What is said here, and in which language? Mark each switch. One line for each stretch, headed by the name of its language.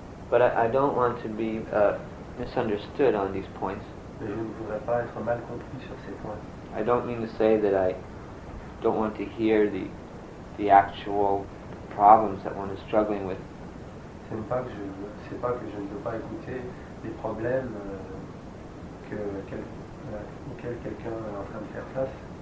English: But I don't want to be misunderstood on these points.
French: Mais je ne voudrais pas être mal compris sur ces points.
English: I don't mean to say that I don't want to hear the actual problems that one is struggling with.
French: C'est pas que je ne veux pas écouter les problèmes auxquels quelqu'un est en train de faire face.